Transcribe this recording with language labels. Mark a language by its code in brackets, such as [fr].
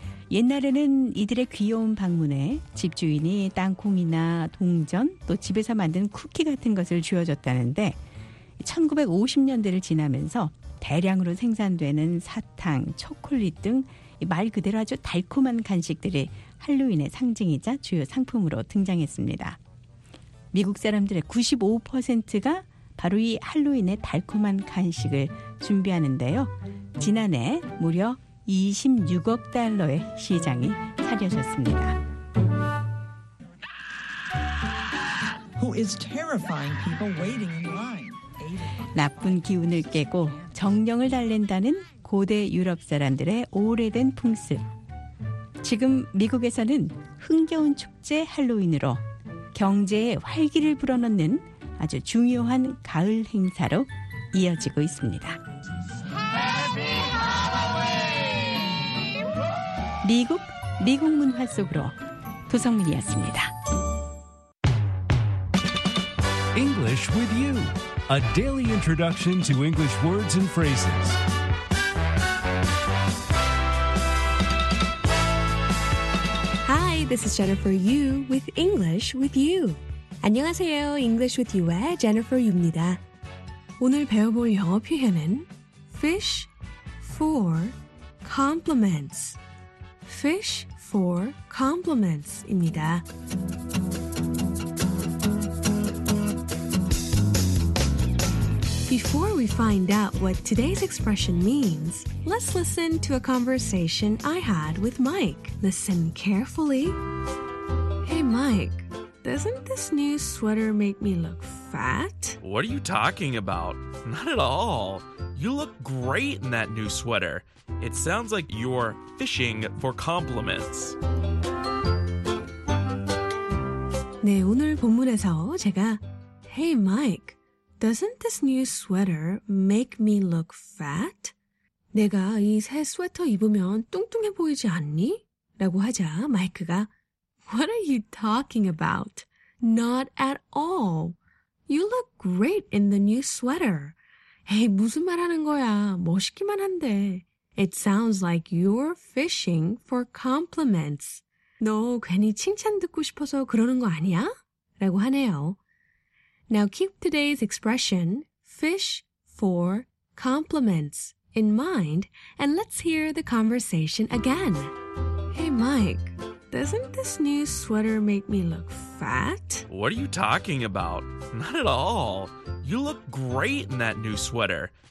[ko] 옛날에는 이들의 귀여운 방문에 집주인이 땅콩이나 동전 또 집에서 만든 쿠키 같은 것을 주어줬다는데 1950년대를 지나면서 대량으로 생산되는 사탕, 초콜릿 등 말 그대로 아주 달콤한 간식들이 할로윈의 상징이자 주요 상품으로 등장했습니다. 미국 사람들의 95%가 바로 이 할로윈의 달콤한 간식을 준비하는데요. 지난해 무려 26억 달러의 시장이 차려졌습니다. [en] Who is terrifying people waiting in line? [ko] 나쁜 기운을 깨고 정령을 달랜다는 고대 유럽 사람들의 오래된 풍습. 지금 미국에서는 흥겨운 축제 할로윈으로 경제에 활기를 불어넣는 아주 중요한 가을 행사로 이어지고 있습니다. 미국, 미국 문화 속으로 도성민이었습니다. [en] English with you. A daily introduction to English words and phrases. Hi, this is Jennifer Yu with English with you. [ko] 안녕하세요. English with you의 Jennifer Yu입니다. 오늘 배워볼 영어 표현은 [en] fish for compliments. Fish for compliments입니다. Before we find out what today's expression means, let's listen to a conversation I had with Mike. Listen carefully. Hey Mike, doesn't this new sweater make me look fat? What are you talking about? Not at all. You look great in that new sweater. It sounds like you're fishing for compliments. [ko] 네, 오늘 본문에서 제가 [en] Hey Mike, doesn't this new sweater make me look fat? [ko] 내가 이 새 스웨터 입으면 뚱뚱해 보이지 않니? 라고 하자 마이크가 [en] What are you talking about? Not at all. You look great in the new sweater. [ko] Hey, 무슨 말 하는 거야? 멋있기만 한데. [en] It sounds like you're fishing for compliments. [ko] 너 괜히 칭찬 듣고 싶어서 그러는 거 아니야? 라고 하네요. [en] Now keep today's expression, fish for compliments, in mind, and let's hear the conversation again. Hey, Mike, Doesn't this new sweater make me look fat? What are you talking about? Not at all. You look great in that new sweater.